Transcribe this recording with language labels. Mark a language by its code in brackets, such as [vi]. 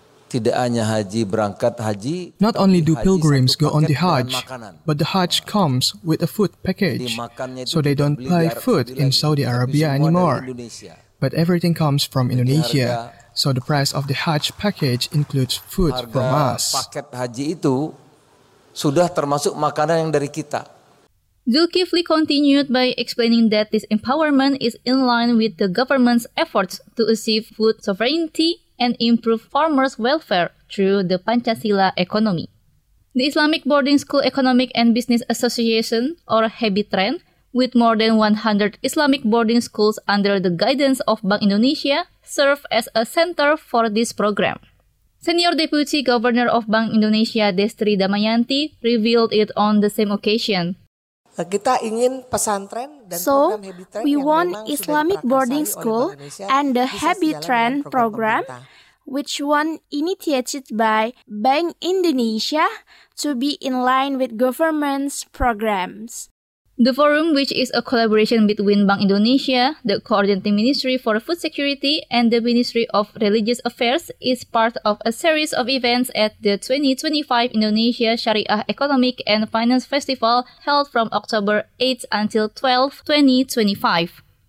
[id] Tidak hanya haji berangkat haji. [en] Not only do pilgrims go on the Hajj, but the Hajj comes with a food package, so they don't buy food in Saudi Arabia anymore. But everything comes from Indonesia. So the price of the Hajj package includes food from us. [id] Paket haji itu sudah termasuk makanan yang dari kita. [en] Zulkifli continued by explaining that this empowerment is in line with the government's efforts to achieve food sovereignty and improve farmers' welfare through the Pancasila economy. The Islamic Boarding School Economic and Business Association, or HEBITREN, with more than 100 Islamic boarding schools under the guidance of Bank Indonesia, serve as a center for this program. Senior Deputy Governor of Bank Indonesia Destri Damayanti revealed it on the same occasion. [id] Kita ingin pesantren dan [en] so, we want Islamic boarding school and the HEBITREN program, which was initiated by Bank Indonesia, to be in line with government's programs. The forum, which is a collaboration between Bank Indonesia, the Coordinating Ministry for Food Security, and the Ministry of Religious Affairs, is part of a series of events at the 2025 Indonesia Syariah Economic and Finance Festival held from October 8 until 12, 2025.